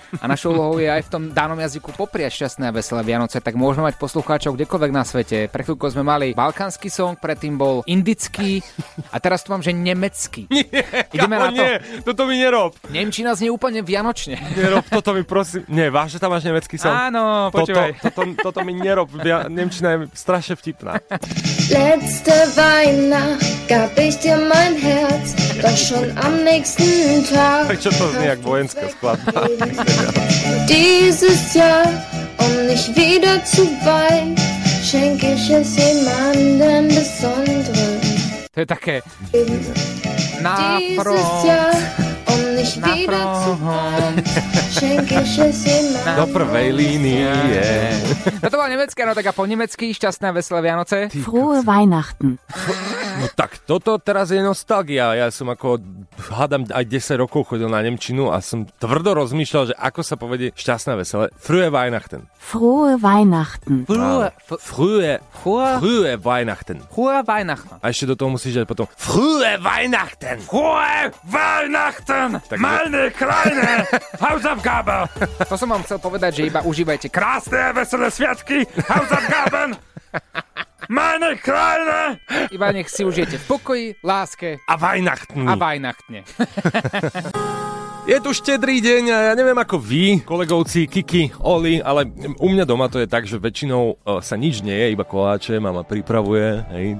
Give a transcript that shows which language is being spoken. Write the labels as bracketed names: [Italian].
[Slovak] A našou úlohou je aj v tom danom jazyku popriať šťastné a veselé Vianoce, tak môžeme mať poslucháčov kdekoľvek na svete. Pre chvíľku sme mali balkánsky song, predtým bol indický a teraz tu mám, že nemecký. Nie, ideme kamo, na to. Nie, toto mi nerob. Nemčina znie úplne vianočne. Nerob, toto mi prosím. Nie, vážne tam máš nemecký song? Áno, počúvaj. Toto mi nerob, nemčina je strašne vtipná. [German] Letzte Weihnacht gab ich dir mein Herz, doch schon am nächsten Tag. [Slovak] Čo to znie jak vojenská skladba? [German] Dieses Jahr, nicht wieder zu weinen, schenk ich es jemandem besonderen. [Slovak] To je také... Na front. [German] Nicht wieder zu weinen, schenk ich es jemandem. [Slovak] Do prvej línie. No to bola nemecká, no tak a po nemecky šťastné a veselé Vianoce. [German] Frohe Weihnachten. [Slovak] No tak toto teraz je nostalgia. Ja som ako, hádam, aj 10 rokov chodil na nemčinu a som tvrdo rozmýšľal, že ako sa povedie šťastné veselé. [German] Frohe Weihnachten. Frohe Weihnachten. Frohe Weihnachten. Frohe Weihnachten. [Slovak] A ešte do toho musíš dať potom [German] Frohe Weihnachten. Frohe Weihnachten. Meine kleine Hausaufgabe. [Slovak] To som vám chcel povedať, že iba užívajte krásne a veselé sviatky [German] Hausaufgaben. Meine kleine! [Slovak] Iba nech si užijete v pokoji, láske [German] a Weihnachten. A Weihnachtne. [Slovak] Je tu štedrý deň a ja neviem ako vy, kolegovci, Kiki, Oli, ale u mňa doma to je tak, že väčšinou sa nič neje, iba koláče, mama pripravuje, hej.